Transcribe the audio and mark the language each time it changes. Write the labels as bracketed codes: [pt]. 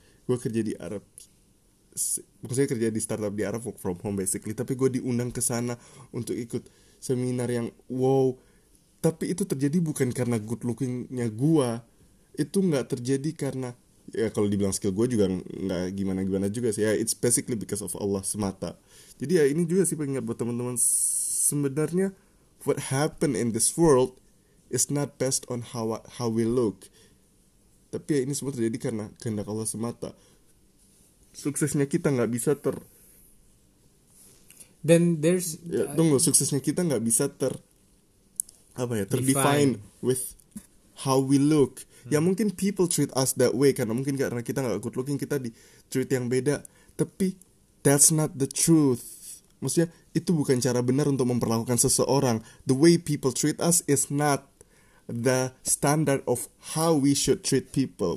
[id] Gue kerja di Arab, maksudnya kerja di startup di Arab, [en] work from home basically, [id] tapi gue diundang ke sana untuk ikut seminar yang wow. Tapi itu terjadi bukan karena good looking-nya gue. Itu gak terjadi karena, ya kalau dibilang skill gue juga gak gimana-gimana juga sih. Ya, [en] it's basically because of Allah [id] semata. Jadi ya ini juga sih pengingat buat teman-teman. [en] Sebenarnya, what happened in this world is not based on how we look. [id] Tapi ya ini semua terjadi karena kehendak Allah semata. Suksesnya kita gak bisa ter... [en] Then there's... [id] Ya, tunggu, suksesnya kita gak bisa ter... Apa ya, terdefine [en] with how we look. [id] Ya mungkin [en] people treat us that way [id] karena mungkin karena kita gak good looking, kita di treat yang beda. [en] Tapi that's not the truth. [id] Maksudnya itu bukan cara benar untuk memperlakukan seseorang. [en] The way people treat us is not the standard of how we should treat people.